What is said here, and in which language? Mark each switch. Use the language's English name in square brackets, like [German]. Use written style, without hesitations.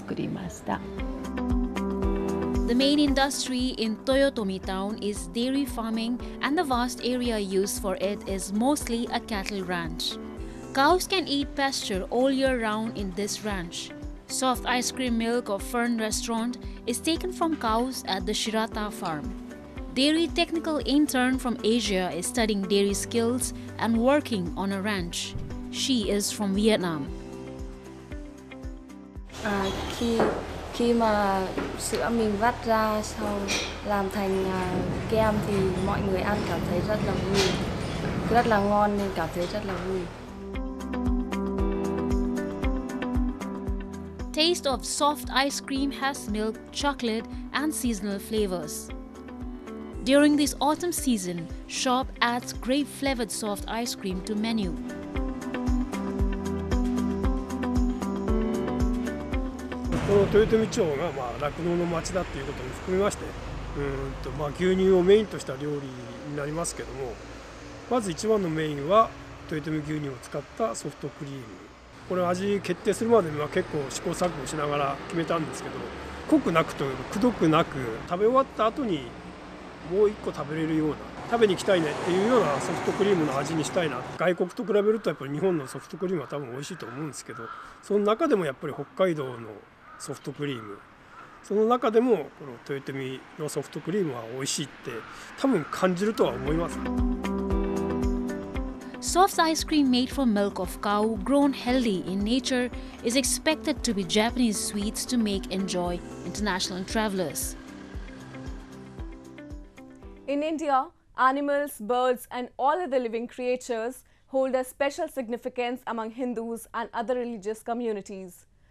[Japanese] トヨトミ町の牛乳を使っていまして、牛乳の味そのものっていうか、コクがあるんですけど、後味がさっぱりしているソフトクリームを作りました。The [English] main industry in Toyotomi Town is dairy farming, and the vast area used for it is mostly a cattle ranch. Cows can eat pasture all year round in this ranch. Soft ice cream milk of Fern Restaurant is taken from cows at the Shirata farm. Dairy technical intern from Asia is studying dairy skills and working on a ranch. She is from Vietnam. [Vietnamese] Khi mà sữa mình vắt ra xong làm thành kem thì mọi người ăn cảm thấy rất là vui. Rất là ngon nên cảm thấy rất là vui. [English] Taste of soft ice cream has milk, chocolate, and seasonal flavors. During this autumn season, shop adds grape-flavored soft ice cream to menu. [Japanese] この豊富町がまあ酪農の町だということも含めまして、まあ牛乳をメインとした料理になりますけども、まず一番のメインは豊富牛乳を使ったソフトクリーム。これ味決定するまでには結構試行錯誤しながら決めたんですけど、濃くなくというかくどくなく、食べ終わった後にもう一個食べれるような、食べに来たいねっていうようなソフトクリームの味にしたいな。外国と比べるとやっぱり日本のソフトクリームは多分美味しいと思うんですけど、その中でもやっぱり北海道のソフトクリーム、その中でもこの豊富のソフトクリームは美味しいって多分感じるとは思います。 [English] Soft ice cream made from milk of cow grown healthy in nature is expected to be Japanese sweets to make enjoy international travelers. In India, animals, birds, and all other living creatures hold a special significance among Hindus and other religious communities.